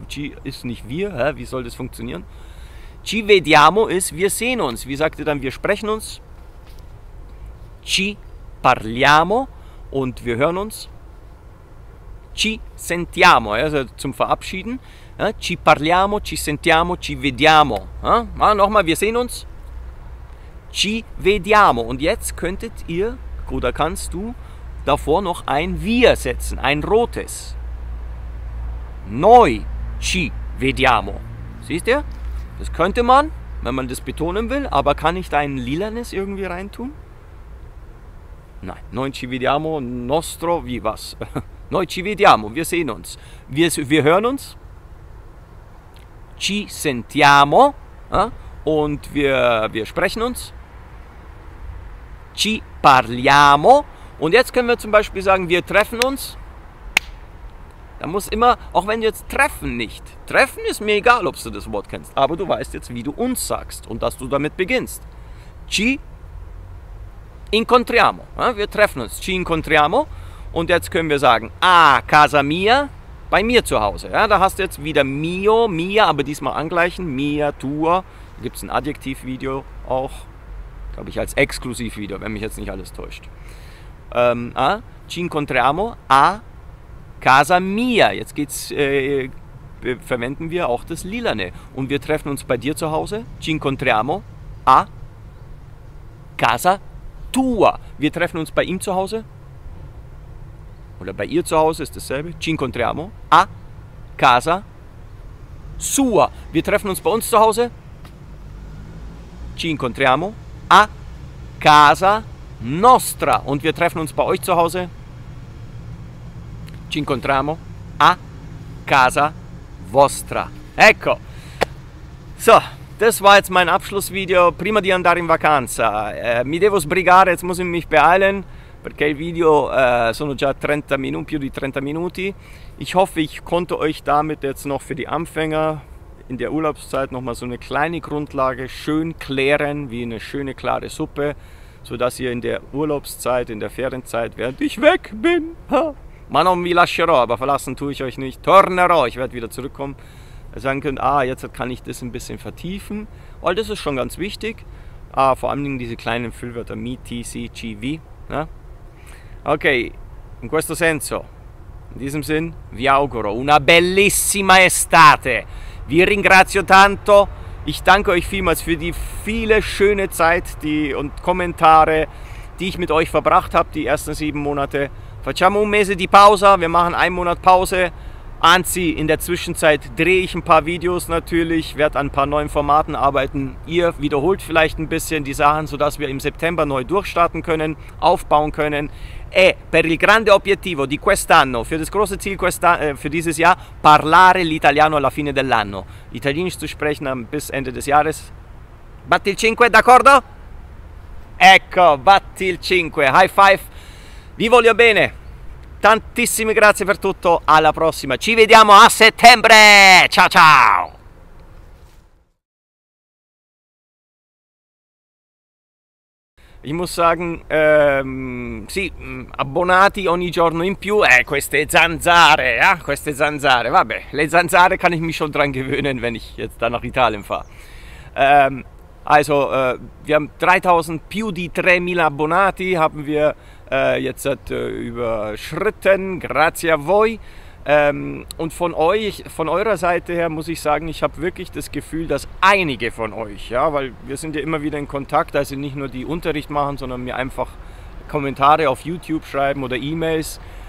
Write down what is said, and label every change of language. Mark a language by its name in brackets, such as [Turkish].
[German] Ci ist nicht wir. Hä? Wie soll das funktionieren? [Italian] Ci vediamo [German] ist, wir sehen uns. Wie sagt ihr dann, wir sprechen uns? [Italian] Ci parliamo. [German] Und wir hören uns. [Italian] Ci sentiamo. [German] Also zum Verabschieden. [Italian] Ci parliamo, ci sentiamo, ci vediamo. [German] Nochmal, wir sehen uns. [Italian] Ci vediamo. [German] Und jetzt könntet ihr, oder kannst du, davor noch ein wir setzen, ein rotes. [Italian] Noi ci vediamo. [German] Siehst du? Das könnte man, wenn man das betonen will, aber kann ich da ein lilanes irgendwie reintun? Nein. [Italian] Noi ci vediamo, nostro, [German] wie was? [Italian] Noi ci vediamo, [German] wir sehen uns. Wir hören uns. [Italian] Ci sentiamo. [German] Und wir sprechen uns. [Italian] Ci parliamo. [German] Und jetzt können wir zum Beispiel sagen, wir treffen uns. Da muss immer, auch wenn du jetzt treffen nicht. Treffen ist mir egal, ob du das Wort kennst. Aber du weißt jetzt, wie du uns sagst und dass du damit beginnst. [Italian] Ci incontriamo. [German] Wir treffen uns. [Italian] Ci incontriamo. [German] Und jetzt können wir sagen, [Italian] casa mia, [German] bei mir zu Hause. Ja, da hast du jetzt wieder mio, mia, aber diesmal angleichen. Mia, tua. Da gibt es ein Adjektivvideo auch, glaube ich, als Exklusivvideo, wenn mich jetzt nicht alles täuscht. [Italian] Ci incontriamo a casa mia. [German] Jetzt geht's, verwenden wir auch das Lilane. Und wir treffen uns bei dir zu Hause. [Italian] Ci incontriamo a casa tua. [German] Wir treffen uns bei ihm zu Hause. Oder bei ihr zu Hause ist dasselbe. [Italian] Ci incontriamo a casa sua. [German] Wir treffen uns bei uns zu Hause. [Italian] Ci incontriamo a casa nostra. [German] Und wir treffen uns bei euch zu Hause. [Italian] Ci incontriamo a casa vostra. Ecco. [German] So, das war jetzt mein Abschlussvideo. [Italian] Prima di andare in vacanza. Mi devo sbrigare, [German] jetzt muss ich mich beeilen, [Italian] perché il video sono già 30 minuti, più di 30 minuti. [German] Ich hoffe, ich konnte euch damit jetzt noch für die Anfänger in der Urlaubszeit noch mal so eine kleine Grundlage schön klären, wie eine schöne klare Suppe. So dass ihr in der Urlaubszeit, in der Ferienzeit, während ich weg bin, [Italian] ma non vi lascerò, [German] aber verlassen tue ich euch nicht, [Italian] tornerò, [German] ich werde wieder zurückkommen, sagen könnt, jetzt kann ich das ein bisschen vertiefen, weil das ist schon ganz wichtig, vor allen Dingen diese kleinen Füllwörter, mi, ti, si, ci, vi, ne? [Italian] Okay, in questo senso, [German] in diesem Sinn, [Italian] vi auguro una bellissima estate, vi ringrazio tanto. [German] Ich danke euch vielmals für die viele schöne Zeit und Kommentare. die ich mit euch verbracht habe, die ersten 7 Monate. [Italian] Facciamo un mese di pausa, [German] wir machen 1 Monat Pause. Anzi, in der Zwischenzeit drehe ich ein paar Videos natürlich, werde an ein paar neuen Formaten arbeiten. Ihr wiederholt vielleicht ein bisschen die Sachen, sodass wir im September neu durchstarten können, aufbauen können. [Italian] E per il grande obiettivo di quest'anno, [German] für das große Ziel für dieses Jahr, [Italian] parlare l'italiano alla fine dell'anno. [German] Italienisch zu sprechen bis Ende des Jahres. [Italian] Batti il 5, d'accordo? Ecco, batti il 5, high five. Vi voglio bene. Tantissime grazie per tutto, alla prossima. Ci vediamo a settembre. Ciao ciao. [German] Ich muss sagen, [Italian] sì, abbonati ogni giorno in più, queste zanzare, ja, queste zanzare. Vabbè, le zanzare [German] kann ich mich schon dran gewöhnen, wenn ich jetzt dann nach Italien fahre. Also, wir haben 3000, [Italian] più di 3000 abbonati [German] haben wir jetzt überschritten, [Italian] grazie a voi. [German] Und von euch, von eurer Seite her muss ich sagen, ich habe wirklich das Gefühl, dass einige von euch, ja, weil wir sind ja immer wieder in Kontakt, also nicht nur die Unterricht machen, sondern mir einfach Kommentare auf YouTube schreiben oder E-Mails.